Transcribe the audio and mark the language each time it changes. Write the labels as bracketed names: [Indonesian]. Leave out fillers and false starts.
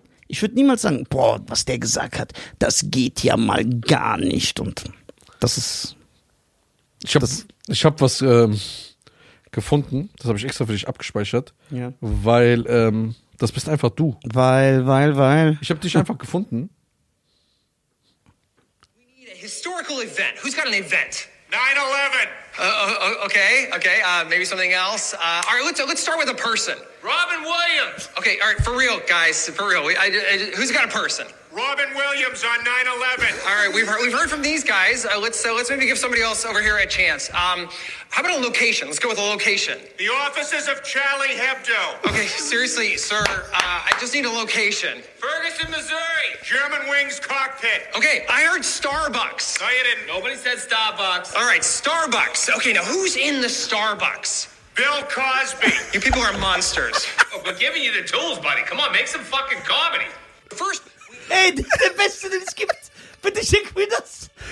[German] Ich würde niemals sagen, boah, was der gesagt hat, das geht ja mal gar nicht. Und das ist. Ich hab was gefunden, das habe ich extra für dich abgespeichert, ja. Weil das bist einfach du. Weil. Ich habe dich einfach gefunden. [English] We need a historical event. Who's got an event? 9/11. Okay, maybe something else. All right, let's start with a person. Robin Williams. Okay, all right, for real, guys. Who's got a person? Robin Williams on 9/11. All right, we've heard from these guys. Let's maybe give somebody else over here a chance. How about a location? Let's go with a location. The offices of Charlie Hebdo. Okay, seriously, sir, I just need a location. Ferguson, Missouri. German Wings cockpit. Okay, I heard Starbucks. No, you didn't. Nobody said Starbucks. All right, Starbucks. Okay, now who's in the Starbucks? Bill Cosby. You people are monsters. Oh, we're giving you the tools, buddy. Come on, make some fucking comedy. First... [German] Ey, der Beste, den es gibt, bitte schick mir das.